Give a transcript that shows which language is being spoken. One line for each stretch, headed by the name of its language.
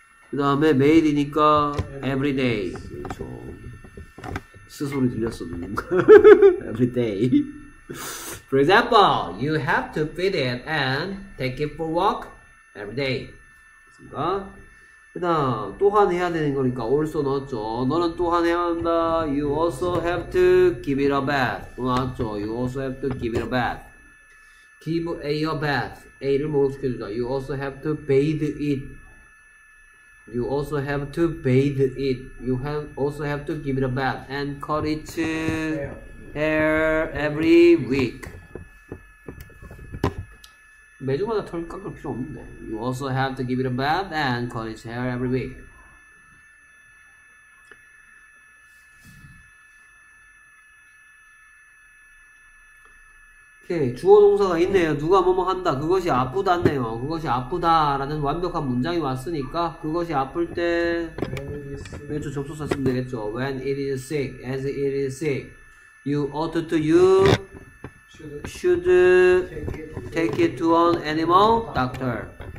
Korean: 그 다음에 매일이니까
English: every day.
Korean: 그렇죠. 스소리 들렸어 누군가.
English: Every day. For example, you have to feed it and take it for a walk every day.
Korean: 그니까 그다음 또한 해야 되는 거니까 also 넣었죠. 너는 또한 해야 한다.
English: You also have to give it a bath.
Korean: 맞죠.
English: You also have to give it a bath. Give a bath.
Korean: A를 목숨겨주자.
English: You also have to bathe it. You also have to bathe it. You have also have to give it a bath and cut its hair every week.
Korean: 매주마다 털 깎을 필요 없는데.
English: You also have to give it a bath and cut its hair every week.
Korean: 오케이. 주어 동사가 있네요. 누가 뭐뭐 한다. 그것이 아프다네요. 그것이 아프다라는 완벽한 문장이 왔으니까 그것이 아플 때 그렇죠. 접속사 쓰면 되겠죠.
English: When it is sick, as it is sick, you ought to, you should take it to an animal doctor.